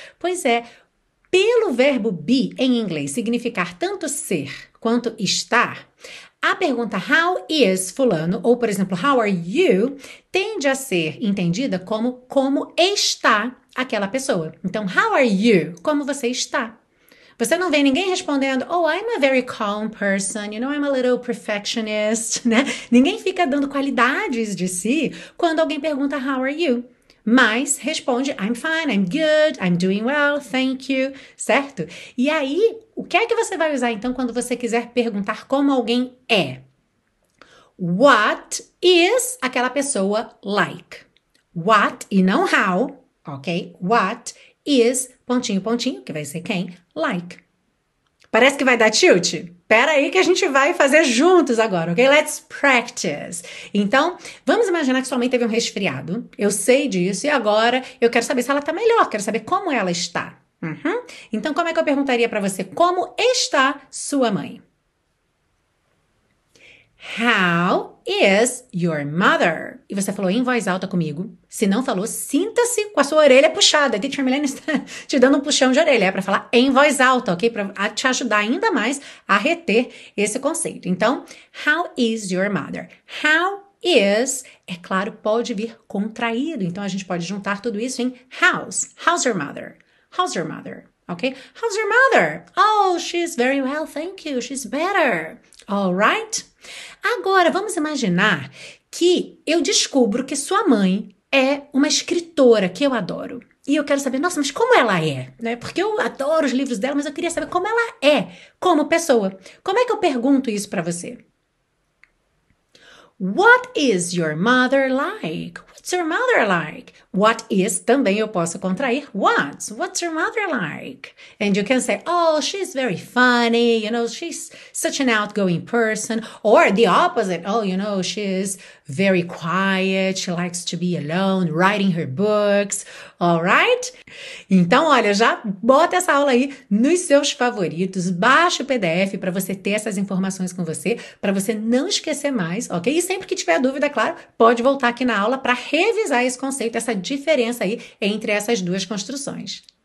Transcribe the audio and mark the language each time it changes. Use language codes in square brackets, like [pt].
[pt] Pois é, pelo verbo be em inglês significar tanto ser quanto estar, a pergunta How is fulano, ou por exemplo, How are you, tende a ser entendida como está aquela pessoa. Então, [en] How are you? [pt] Como você está? Você não vê ninguém respondendo, [en] oh, I'm a very calm person, you know, I'm a little perfectionist, né? [pt] Ninguém fica dando qualidades de si quando alguém pergunta, [en] how are you? [pt] Mas responde, [en] I'm fine, I'm good, I'm doing well, thank you, certo? [pt] E aí, o que é que você vai usar então quando você quiser perguntar como alguém é? [en] What is [pt] aquela pessoa [en] like? [pt] What e não how, ok? What is, pontinho, pontinho, que vai ser quem, like. Parece que vai dar tilt? Pera aí que a gente vai fazer juntos agora, ok? [en] Let's practice. [pt] Então, vamos imaginar que sua mãe teve um resfriado. Eu sei disso e agora eu quero saber se ela tá melhor, quero saber como ela está. Então, como é que eu perguntaria para você como está sua mãe? [en] How is your mother? [pt] E você falou em voz alta comigo. Se não falou, sinta-se com a sua orelha puxada. Teacher Milena está te dando um puxão de orelha. É para falar em voz alta, ok? Para te ajudar ainda mais a reter esse conceito. [en] Então, how is your mother? [pt] How is, é claro, pode vir contraído. Então, a gente pode juntar tudo isso em how's. [en] How's your mother? How's your mother? Ok? How's your mother? Oh, she's very well, thank you. She's better. All right? [pt] Agora, vamos imaginar que eu descubro que sua mãe é uma escritora que eu adoro. E eu quero saber, nossa, mas como ela é? Né? Porque eu adoro os livros dela, mas eu queria saber como ela é como pessoa. Como é que eu pergunto isso para você? [en] What is your mother like? What's your mother like? [pt] What is, também eu posso contrair, what's? [en] What's your mother like? And you can say, oh, she's very funny, you know, she's such an outgoing person. Or the opposite, oh, you know, she's very quiet, she likes to be alone, writing her books, all right? [pt] Então, olha, já bota essa aula aí nos seus favoritos, baixa o PDF para você ter essas informações com você, para você não esquecer mais, ok? E sempre que tiver dúvida, claro, pode voltar aqui na aula para revisar esse conceito, essa diferença aí entre essas duas construções.